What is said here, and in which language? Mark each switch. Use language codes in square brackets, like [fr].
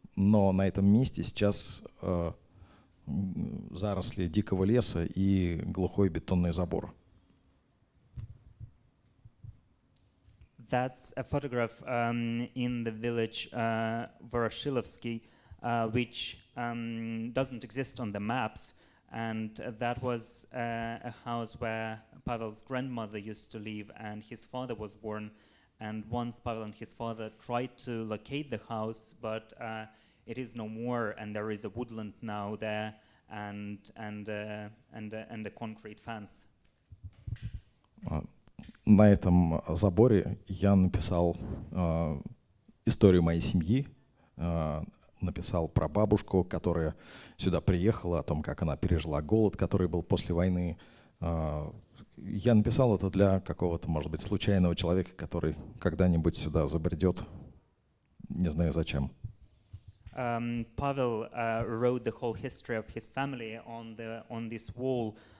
[ru] Но на этом месте сейчас заросли дикого леса и глухой бетонный забор. [en] That's a photograph in the village Voroshilovsky, which doesn't exist on the maps. And that was a house where Pavel's grandmother used to live and his father was born. And once Pavel and his father tried to locate the house, but it is no more, and there is a woodland now there, and a concrete fence. [ru] На этом заборе я написал историю моей семьи, написал про бабушку, которая сюда приехала, о том, как она пережила голод, который был после войны. Я написал это для какого-то, может быть, случайного человека, который когда-нибудь сюда забредет, не знаю зачем. [en] Pavel wrote the whole history of his family on this wall.